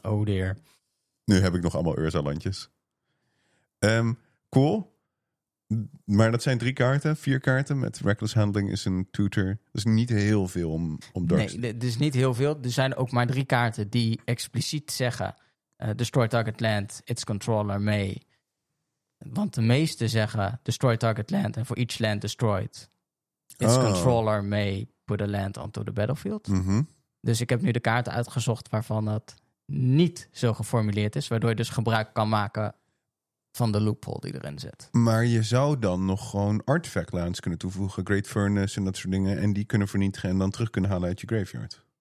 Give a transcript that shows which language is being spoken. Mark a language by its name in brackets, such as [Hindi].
[English] oh dear. [Dutch] Nu heb ik nog allemaal Urza-landjes. Cool. Maar dat zijn 3 kaarten, 4 kaarten. Met Reckless Handling is een tutor. Dat is niet heel veel om Dark. Nee, dat is niet heel veel. Er zijn ook maar 3 kaarten die expliciet zeggen... [English] Destroy target land, its controller, may. [Dutch] Want de meeste zeggen... [English] Destroy target land en for each land destroyed... Its controller, may put a land onto the battlefield. Mm-hmm. [Dutch] Dus ik heb nu de kaarten uitgezocht waarvan dat niet zo geformuleerd is. Waardoor je dus gebruik kan maken... van de loophole die erin zit. Maar je zou dan nog gewoon artifact lands kunnen toevoegen. Great Furnace en dat soort dingen. En die kunnen vernietigen en dan terug kunnen halen uit je graveyard.